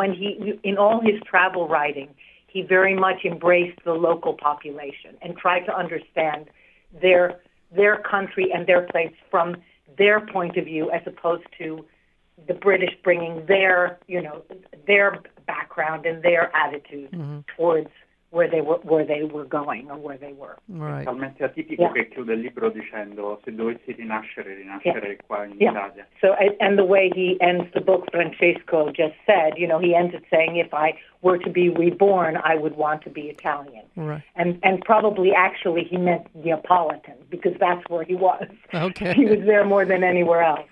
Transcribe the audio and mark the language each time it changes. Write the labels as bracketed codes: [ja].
[en] And in all his travel writing, he very much embraced the local population and tried to understand their country and their place from their point of view, as opposed to the British bringing their, you know, their background and their attitude mm-hmm. towards where they were going or where they were. Right. [it] È talmente atipico, [en] yeah. [it] Che chiude il libro dicendo se dovessi rinascere [en] yeah. [it] qua in [en] yeah. [it] Italia. [en] So and the way he ends the book, Francesco just said, you know, he ends it saying, if I were to be reborn, I would want to be Italian. Right. And probably actually he meant Neapolitan, because that's where he was. Okay. He was there more than anywhere else.